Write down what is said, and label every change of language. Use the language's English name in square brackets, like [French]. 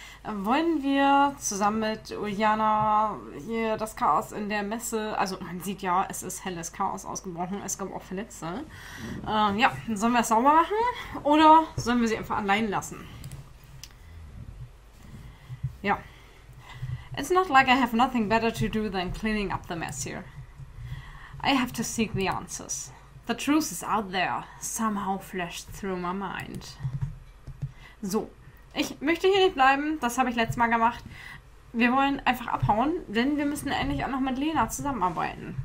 [German] Wollen wir zusammen mit Uliana hier das Chaos in der Messe, also man sieht ja, es ist helles Chaos ausgebrochen, es gab auch Verletzte. Sollen wir es sauber machen oder sollen wir sie einfach allein lassen? Ja. [English] It's not like I have nothing better to do than cleaning up the mess here. I have to seek the answers. The truth is out there, somehow flashed through my mind. [German] So, ich möchte hier nicht bleiben, das habe ich letztes Mal gemacht. Wir wollen einfach abhauen, denn wir müssen endlich auch noch mit Lena zusammenarbeiten.